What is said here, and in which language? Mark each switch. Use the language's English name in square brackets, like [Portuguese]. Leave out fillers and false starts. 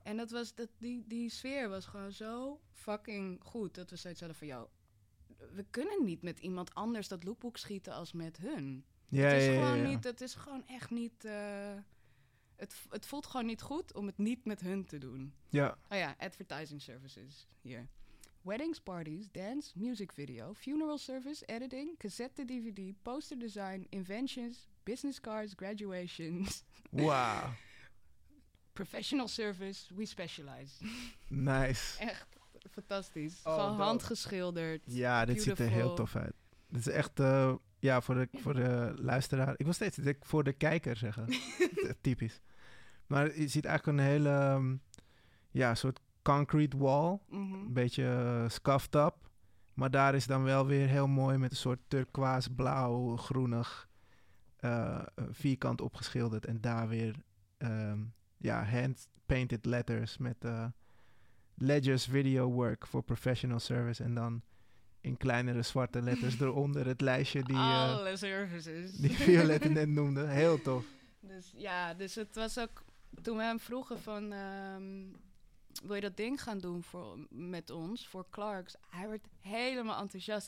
[Dutch] En die sfeer was gewoon zo fucking goed, dat we zoiets hadden van, we kunnen niet met iemand anders dat lookbook schieten als met hun. Het is gewoon echt niet... Het voelt gewoon niet goed om het niet met hun te doen. Ja. Oh ja, [English] advertising services [Dutch] hier. [English] Weddings, parties, dance, music video, funeral service, editing, cassette, DVD, poster design, inventions, business cards, graduations. Wow. Professional service, we specialize. Nice. [Dutch] Echt. Fantastisch. Oh, gewoon handgeschilderd. Ja, dit ziet er heel tof uit. Dit is echt voor de luisteraar. Ik wil steeds voor de kijker zeggen. Typisch. Maar je ziet eigenlijk een hele soort concrete wall. Mm-hmm. Een beetje scuffed up. Maar daar is dan wel weer heel mooi met een soort turquoise blauw groenig vierkant opgeschilderd. En daar weer hand-painted letters met... [English] Ledger's Video Work for Professional Service. [Dutch] En dan in kleinere zwarte letters eronder het lijstje die... Alle services. Die Violette net noemde. Heel tof. Dus het was ook... Toen we hem vroegen van... wil je dat ding gaan doen met ons, voor Clarks? Hij werd helemaal enthousiast.